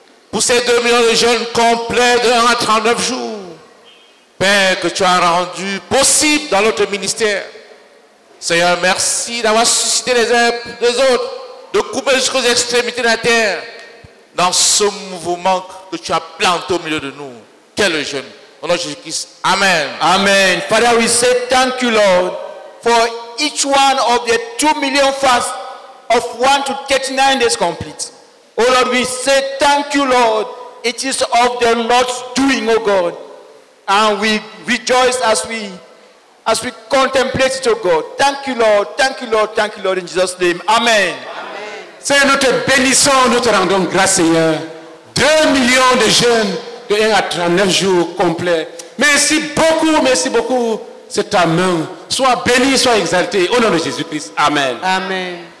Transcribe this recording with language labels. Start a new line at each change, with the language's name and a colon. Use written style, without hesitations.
French: Pour ces 2 millions de jeunes complets de 1 à 39 jours, Père, que tu as rendu possible dans notre ministère. Seigneur, merci d'avoir suscité les autres, de couper jusqu'aux extrémités de la terre dans ce mouvement que tu as planté au milieu de nous. Quel jeûne. Au nom de Jésus-Christ. Amen. Amen.
English: Father, we say thank you, Lord, for each one of the 2 million fasts of 1 to 39 days complete. Oh Lord, we say thank you, Lord. It is of the Lord's doing, oh God. And we rejoice as we contemplate it, oh God. Thank you, Lord. Thank you, Lord. Thank you, Lord. In Jesus' name. Amen. Amen.
French: Seigneur, nous te bénissons, nous te rendons grâce, Seigneur. 2 millions de jeunes de 1 à 39 jours complets. Merci beaucoup, c'est ta main. Sois béni, sois exalté. Au nom de Jésus-Christ. Amen. Amen.